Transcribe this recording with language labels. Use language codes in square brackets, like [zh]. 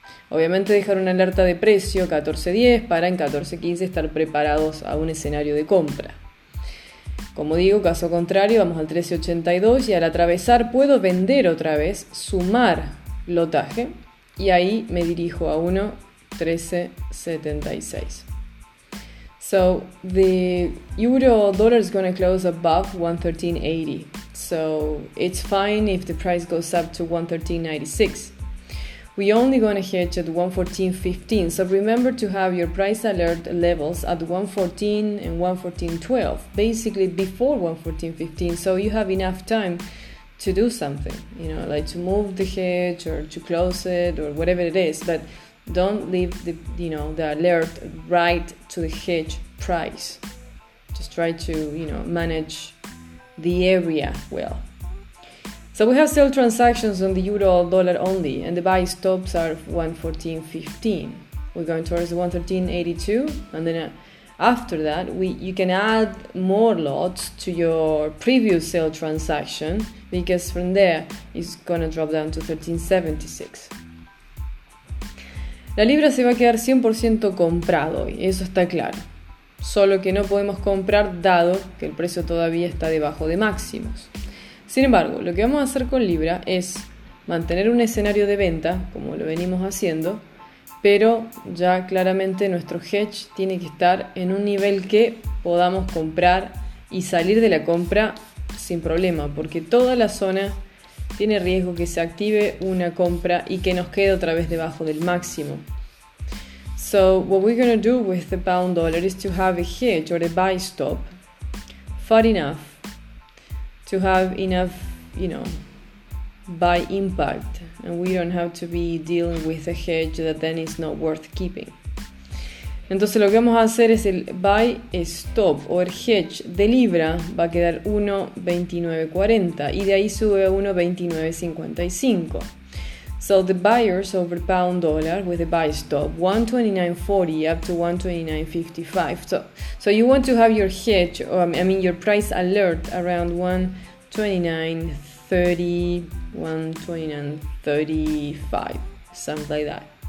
[es] Obviamente dejar una alerta de precio 14.10 para en 14.15 estar preparados a un escenario de compra. Como digo, caso contrario, vamos al 13.82 y al atravesar puedo vender otra vez, sumar lotaje y ahí me dirijo a 1.1376. [en] So the euro dollar is going to close above 1.1380. So it's fine if the price goes up to 1.1396. We only going to hedge at 1.1415, so remember to have your price alert levels at 1.14 and 1.1412, basically before 1.1415, so you have enough time to do something, you know, like to move the hedge or to close it or whatever it is, but don't leave the alert right to the hedge price. Just try to, you know, manage the area well. So we have sell transactions on the euro dollar only, and the buy stops are 1.1415. We're going towards 1.1382, and then after that, you can add more lots to your previous sell transaction, because from there it's going to drop down to 1.1376. [es] La libra se va a quedar 100% comprado hoy, eso está claro. Solo que no podemos comprar dado que el precio todavía está debajo de máximos. Sin embargo, lo que vamos a hacer con Libra es mantener un escenario de venta, como lo venimos haciendo, pero ya claramente nuestro hedge tiene que estar en un nivel que podamos comprar y salir de la compra sin problema, porque toda la zona tiene riesgo que se active una compra y que nos quede otra vez debajo del máximo. [en] So, what we're going to do with the pound dollar is to have a hedge or a buy stop far enough to have enough, you know, buy impact, and we don't have to be dealing with a hedge that then is not worth keeping. [es] Entonces lo que vamos a hacer es el buy stop o el hedge de Libra va a quedar 1.2940 y de ahí sube a 1.2955. [en] So the buyers over pound dollar with a buy stop 1.2940 up to 1.2955. So you want to have your hedge, or I mean your price alert around 1.2930, 1.2935, something like that.